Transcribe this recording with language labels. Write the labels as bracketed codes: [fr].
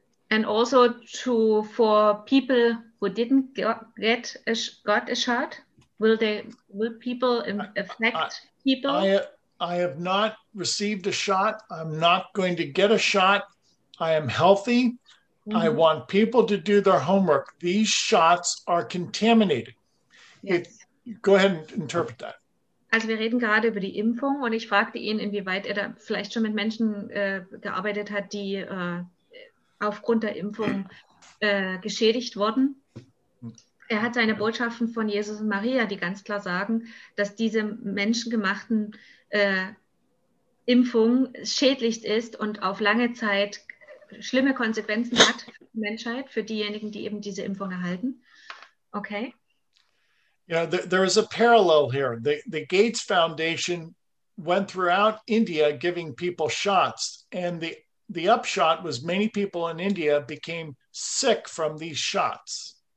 [en] And also for people who didn't got a shot, will people affect people? I have not received a shot. I'm not going to get a shot. I am healthy. Mm-hmm. I want people to do their homework. These shots are contaminated. Yes. Go ahead and interpret that. [de] Also wir reden gerade über die Impfung und ich fragte ihn, inwieweit er da vielleicht schon mit Menschen gearbeitet hat, die aufgrund der Impfung geschädigt wurden. Er hat seine Botschaften von Jesus und Maria, die ganz klar sagen, dass diese menschengemachten Impfung schädlich ist und auf lange Zeit schlimme Konsequenzen hat für die Menschheit, für diejenigen, die eben diese Impfung erhalten. [en] Okay. Yeah, there is a parallel here. The Gates Foundation went throughout India giving people shots, and the upshot was many people in India became sick from these shots.